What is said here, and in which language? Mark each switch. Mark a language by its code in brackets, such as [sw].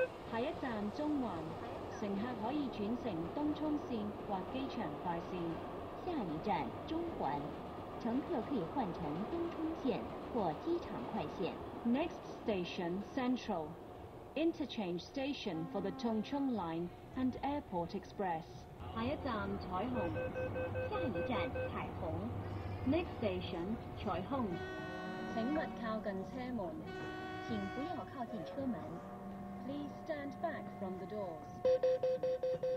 [zh] 下一站中环，乘客可以转乘东涌线或机场快线。下一站中环，乘客可以换乘东涌线或机场快线。 [en] Next station Central。 Interchange station for the Tung Chung Line and Airport Express. [zh] 下一站彩虹，下一站彩虹。 [en] Next station 彩虹。 [zh] 请勿靠近车门，请不要靠近车门。 [en] Please stand back from the doors.